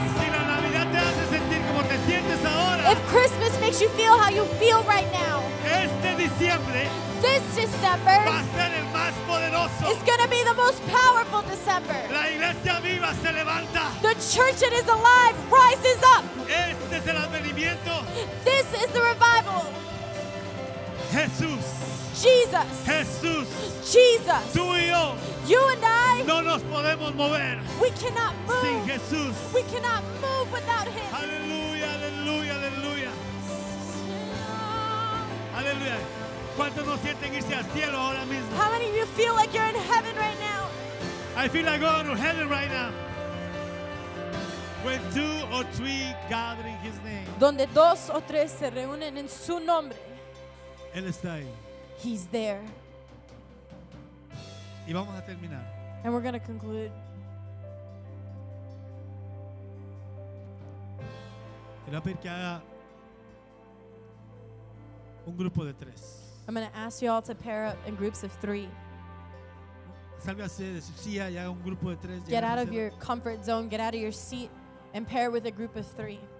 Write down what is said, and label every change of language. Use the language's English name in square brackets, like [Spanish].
[Spanish] Si la Navidad te hace sentir como te sientes ahora, [English] if Christmas makes you feel how you feel right now, [Spanish] este diciembre, [English] this December, [Spanish] va a ser el más poderoso, [English] is going to be the most powerful December. [Spanish] La iglesia viva se levanta. [English] The church that is alive rises up. [Spanish] Este es el advenimiento. [English] This is the revival. [Spanish] Jesús. [English] Jesus. [Spanish] Jesús. [English] Jesus. [Spanish] Tú y yo. [English] You and I. [Spanish] No nos podemos mover. [English] We cannot move. [Spanish] Sin Jesús. [English] We cannot move without Him. [Spanish] Aleluya, aleluya, aleluya. Aleluya. ¿Cuántos no sienten irse al cielo ahora mismo? [English] How many of you feel like you're in heaven right now? I feel like going to heaven right now. When two or three gather in His name. [Spanish] Donde dos o tres se reúnen en su nombre. Él está ahí. [English] He's there. [Spanish] Y vamos a terminar. [English] And we're going to conclude. [Spanish] Voy a pedir que haga un grupo de tres. [English] I'm going to ask you all to pair up in groups of three. [Spanish] Sálgase de su silla y haga un grupo de tres. [English] Get out of your comfort zone. Get out of your seat and pair with a group of three.